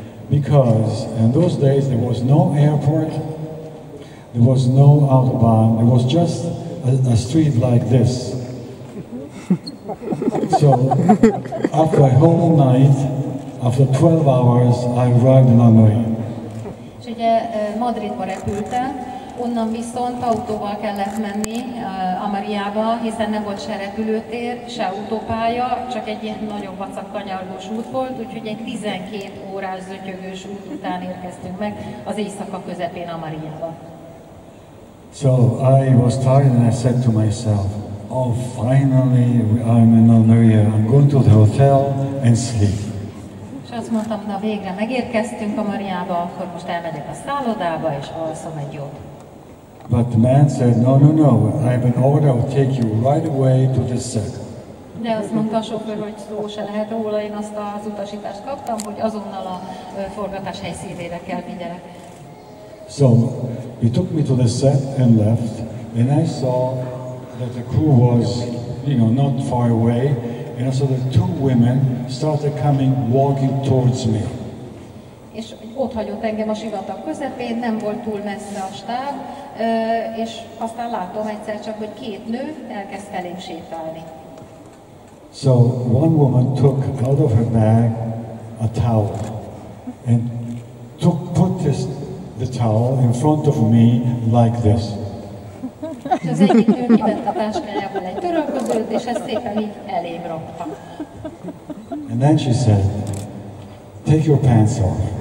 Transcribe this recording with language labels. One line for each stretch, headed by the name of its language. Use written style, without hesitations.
English: Because in those days there was no airport, there was no autobahn, it was just a street like this. So after a whole night, after 12 hours, I arrived in Almeria.
Hungarian: És ugye Madridba repültem, onnan viszont autóval kellett menni Almeriába, hiszen nem volt se repülőtér, se autópálya, csak egy ilyen nagyobb vacak kanyargós út volt, úgyhogy egy 12 órás zötyögős út után érkeztünk meg az éjszaka közepén Almeriába.
English: So I was tired and I said to myself, oh, finally I'm in Almeria, I'm going to the hotel and sleep.
Hungarian: És azt mondtam, na végre megérkeztünk Almeriába, akkor most elmegyek a szállodába és alszom egy jót.
English: But the man said, no, I have an order, I'll take you right away to the circle.
Hungarian: De azt mondta a sofőr, hogy szó se lehet róla, én azt az utasítást kaptam, hogy azonnal a forgatás helyszínére kell vigyelek.
English: So, he took me to the set and left, and I saw that the crew was, you know, not far away, and I saw that two women started coming, walking towards me.
Hungarian: És ott hagyott engem a sivatag közepén, nem volt túl messze a stáb, és aztán látom egyszer csak, hogy két nő elkezd felém sétálni.
English: So, one woman took out of her bag a towel, and put this the towel in front of me like this.
Hungarian: Az egyik nő kivett a táskájából egy törölközőt, és ezt szépen így elém rakta.
English: And then she said, take your pants off.